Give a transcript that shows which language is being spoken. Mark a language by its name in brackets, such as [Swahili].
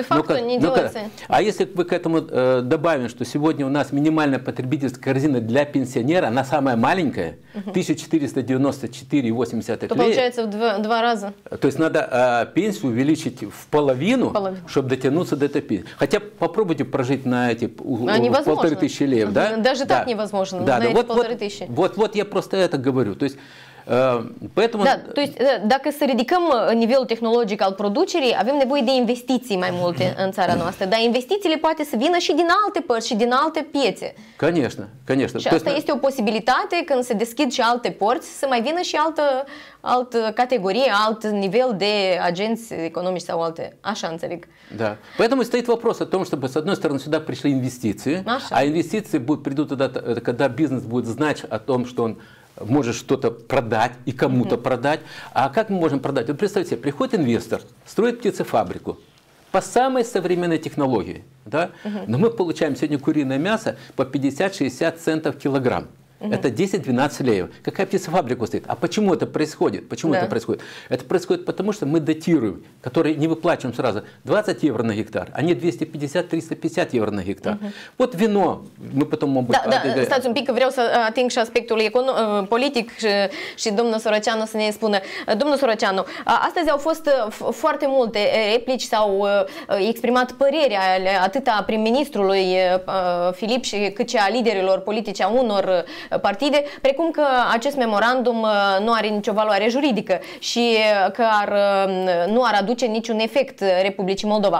[Russian] А если мы к этому добавим, что сегодня у нас минимальная потребительская корзина для пенсионера, она самая маленькая, 1494,80 лей. То получается в два раза. То есть надо пенсию увеличить в половину, чтобы дотянуться до этой пенсии. Хотя попробуйте прожить на эти 1500 лей, да? Даже так невозможно, да, на эти 1500. Вот я просто это говорю. То есть, поэтому... Да, то есть, [Romanian] dacă să ridicăm nivelul tehnologic al producerii, avem nevoie de investiții mai multe în țara noastră, dar investițiile poate să vină și din alte părți și din alte piețe. [Russian] Конечно, конечно. [Romanian] Și asta este o posibilitate când se deschid și alte porți, să mai vină și altă categorie, alt nivel de agenți economici sau alte, așa înțeleg. Da. [Russian] Поэтому стоит вопрос о том, чтобы с одной стороны сюда пришли инвестиции, а инвестиции придут туда, когда бизнес будет знать о том, что он может что-то продать и кому-то продать. А как мы можем продать? Вот представьте себе, приходит инвестор, строит птицефабрику по самой современной технологии. Да? Но мы получаем сегодня куриное мясо по 50-60 центов килограмм. Это 10-12 леев. Какая птицефабрика стоит? А почему это происходит? Почему это происходит? Это происходит потому, что мы дотируем, которые не выплачиваем сразу, 20 евро на гектар, а не 250-350 евро на гектар. Вот вино, мы потом... [Romanian] Стать un pic, vreau să ating și aspectul politic și domnul Soroceanu să ne spună. Domnul Soroceanu, astăzi au fost foarte multe replici, s-au exprimat părerea atât a prim-ministrului Filip și cât și a liderilor politici, a unor partide, precum că acest memorandum nu are nicio valoare juridică și că nu ar aduce niciun efect Republicii Moldova.